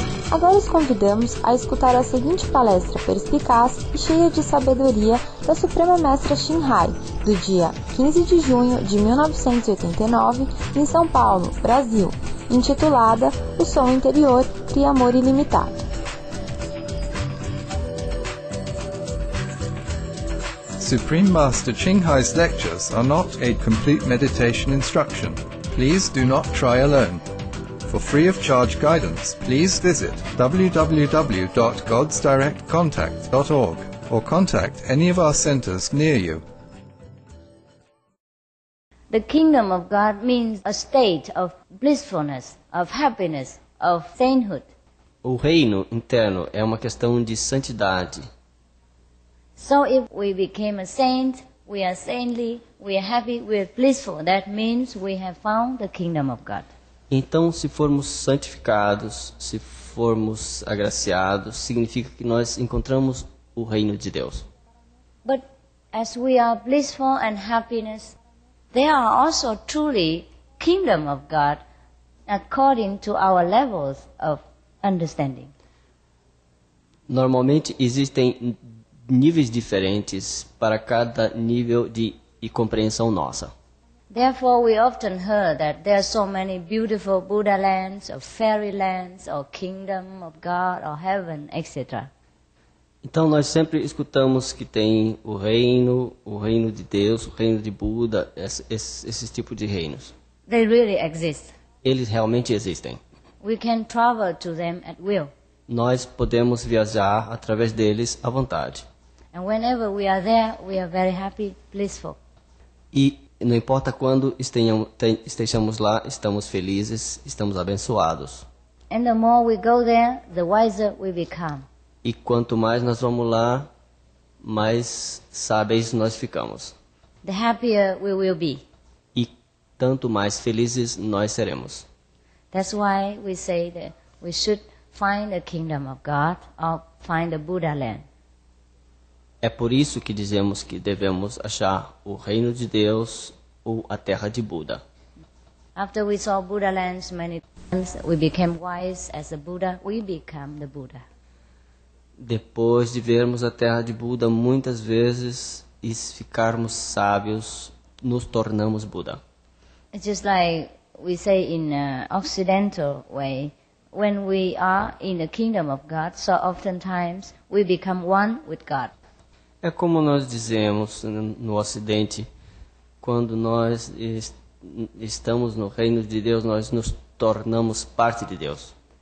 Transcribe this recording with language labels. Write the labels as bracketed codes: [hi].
[pt] Agora os convidamos a escutar a seguinte palestra perspicaz e cheia de sabedoria da Suprema Mestra Xin Hai, do dia 15 de junho de 1989, em São Paulo, Brasil, intitulada O Som Interior Cria Amor Ilimitado. [en] Supreme Master Ching Hai's lectures are not a complete meditation instruction. Please do not try alone. For free of charge guidance, please visit www.godsdirectcontact.org or contact any of our centers near you. The kingdom of God means a state of blissfulness, of happiness, of sainthood. [pt] O reino interno é uma questão de santidade. [en] So if we became a saint, we are saintly, we are happy, we are blissful. That means we have found the kingdom of God. [pt] Então, se formos santificados, se formos agraciados, significa que nós encontramos o reino de Deus. [en] But as we are blissful and happiness, they are also truly kingdom of God according to our levels of understanding. [pt] Normalmente existem níveis diferentes para cada nível de compreensão nossa. [en] Therefore, we often heard that there are so many beautiful Buddha lands, or fairy lands, or kingdom of God, or heaven, etc. [pt] Então, nós sempre escutamos que tem o reino de Deus, o reino de Buda, esses tipos de reinos. [en] They really exist. [pt] Eles realmente existem. [en] We can travel to them at will. [pt] Nós podemos viajar através deles à vontade. [en] And whenever we are there, we are very happy, blissful. [pt] E não importa quando estejamos lá, estamos felizes, estamos abençoados. [en] And the more we go there, the wiser we become. [pt] E quanto mais nós vamos lá, mais sábios nós ficamos. [en] The happier we will be. [pt] E tanto mais felizes nós seremos. [en] That's why we say that we should find the kingdom of God or find the Buddha land. [pt] É por isso que dizemos que devemos achar o reino de Deus ou a terra de Buda. [en] After we saw Buddha lands many times, we became wise as a Buddha, we become the Buddha. [pt] Depois de vermos a terra de Buda muitas vezes e ficarmos sábios, nos tornamos Buda. [en] It's just like we say in an occidental way, when we are in the kingdom of God, so oftentimes we become one with God. [pt] É como nós dizemos no Ocidente, quando nós estamos no reino de Deus, nós nos tornamos parte de Deus.